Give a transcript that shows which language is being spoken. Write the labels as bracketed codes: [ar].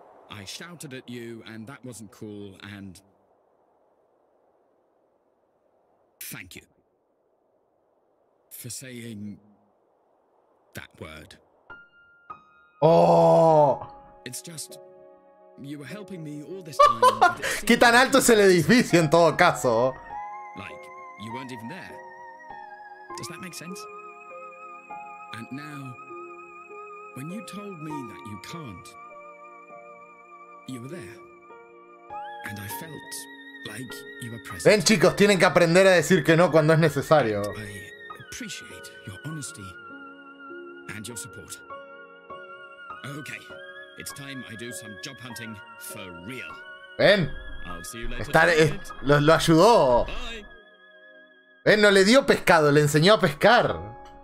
[en] I shouted at you and that wasn't cool and... Thank you. For saying that word. Oh. It's just you were helping me all this time. [es] ¿Qué tan alto es el edificio en todo caso? [en] Like you weren't even there. Does that make sense? And now, when you told me that you can't, you were there, and I felt like you were present. [es] Ven, chicos, tienen que aprender a decir que no cuando es necesario. [en] Appreciate your honesty and your support. Okay, it's time I do some job hunting for real. [es] Ven. [en] I'll see you later. [es] Lo ayudó. Ven, no le dio pescado, le enseñó a pescar.